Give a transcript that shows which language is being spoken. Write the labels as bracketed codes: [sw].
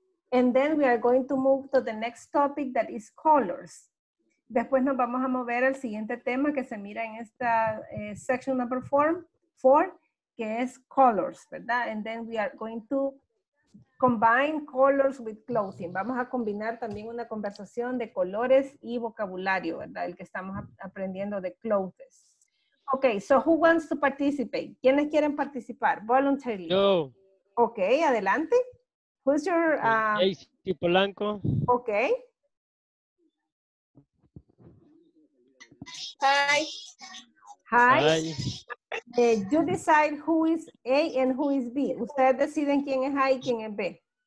[en] And then we are going to move to the next topic that is colors. [es] Después nos vamos a mover al siguiente tema que se mira en esta [en] section number four, [es] que es colors, ¿verdad? [en] And then we are going to combine colors with clothing. [es] Vamos a combinar también una conversación de colores y vocabulario, ¿verdad? El que estamos aprendiendo de [en] clothes. Okay, so who wants to participate? [es] ¿Quiénes quieren participar? Voluntarily. Yo. [en] Okay, adelante. Who's your... Daisy Polanco. Okay. Hi. Hi. Hi. You decide who is A and who is B. [es] Ustedes deciden quién es A y quién es B.